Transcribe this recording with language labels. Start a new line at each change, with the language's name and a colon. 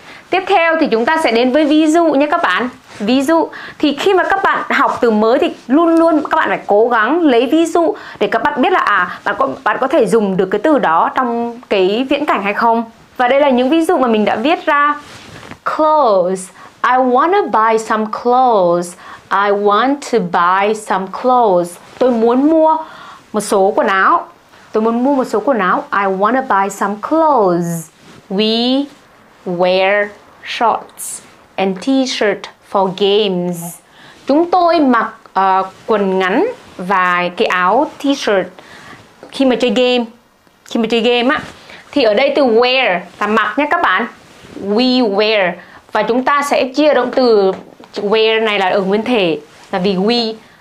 Vietnamese: Tiếp theo thì chúng ta sẽ đến với ví dụ nhé các bạn. Ví dụ thì khi mà các bạn học từ mới thì luôn luôn các bạn phải cố gắng lấy ví dụ để các bạn biết là bạn có thể dùng được cái từ đó trong cái viễn cảnh hay không. Và đây là những ví dụ mà mình đã viết ra. clothes.
English: I want to buy some clothes. I want to buy some clothes.
Vietnamese: Tôi muốn mua một số quần áo. Tôi muốn mua một số quần áo.
English: I want to buy some clothes. We wear shorts and t-shirt for games.
Vietnamese: Chúng tôi mặc quần ngắn và cái áo t-shirt khi mà chơi game. Khi mà chơi game á, thì ở đây từ wear là mặc nha các bạn.
English: We wear.
Vietnamese: Và chúng ta sẽ chia động từ wear này là ở nguyên thể. Là vì we.